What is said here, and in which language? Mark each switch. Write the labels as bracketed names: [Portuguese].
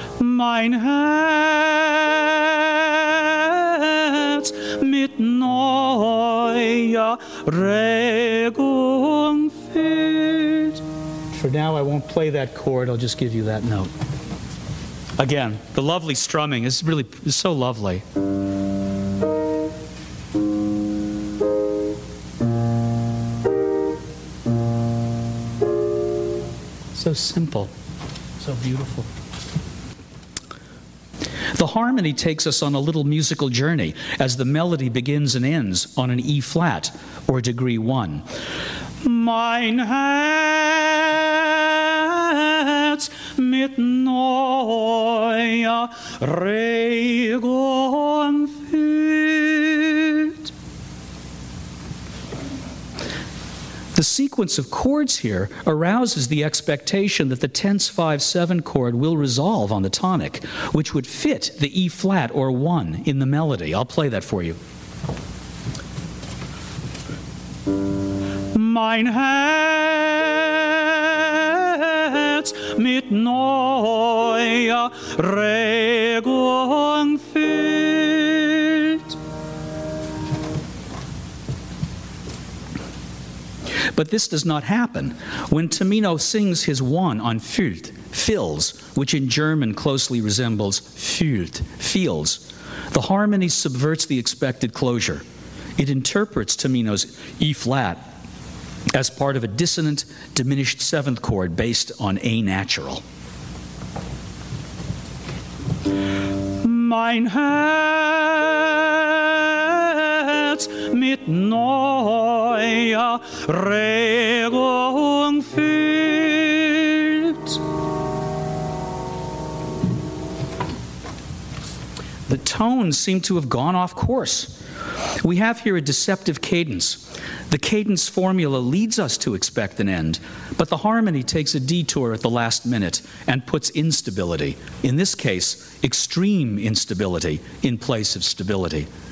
[German] mein Herz mit neuer Regung füllt. [English] For now, I won't play that chord. I'll just give you that note. Again, the lovely strumming is really so lovely. So simple, so beautiful. The harmony takes us on a little musical journey as the melody begins and ends on an E-flat, or degree one. [German] Mein Herz mit neuer Regung füllt. [English] The sequence of chords here arouses the expectation that the tense 5-7 chord will resolve on the tonic, which would fit the E-flat or 1 in the melody. I'll play that for you. [German] Mein Herz mit neuer Regung füllt. [English] But this does not happen. When Tamino sings his one on füllt, fills, which in German closely resembles füllt, feels, the harmony subverts the expected closure. It interprets Tamino's E-flat as part of a dissonant, diminished seventh chord based on A natural. [German] Mein Herz mit neuer Regung füllt. [English] The tones seem to have gone off course. We have here a deceptive cadence. The cadence formula leads us to expect an end, but the harmony takes a detour at the last minute and puts instability, in this case, extreme instability, in place of stability.